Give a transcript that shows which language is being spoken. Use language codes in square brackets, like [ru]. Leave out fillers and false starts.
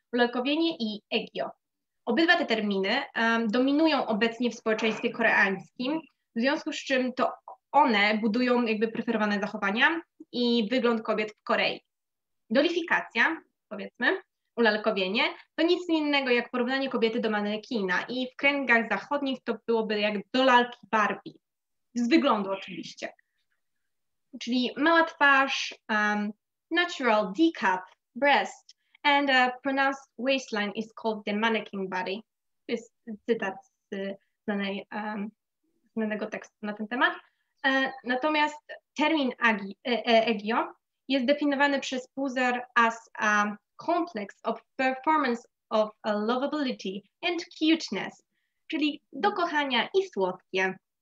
[pl] Ulalkowienie i egio. Obydwa te terminy dominują obecnie w społeczeństwie koreańskim, w związku z czym to one budują jakby preferowane zachowania i wygląd kobiet w Korei. Dolifikacja, powiedzmy, ulalkowienie, to nic innego jak porównanie kobiety do manekina i w kręgach zachodnich to byłoby jak do lalki Barbie. Z wyglądu oczywiście. Czyli mała twarz, [en] natural D-cup, breast, and a pronounced waistline is called the mannequin body. [pl] To jest cytat z znanego tekstu na ten temat. Natomiast termin egio jest definiowany przez Puzer [en] as a complex of performance of lovability and cuteness, [pl] czyli do kochania i słodkie.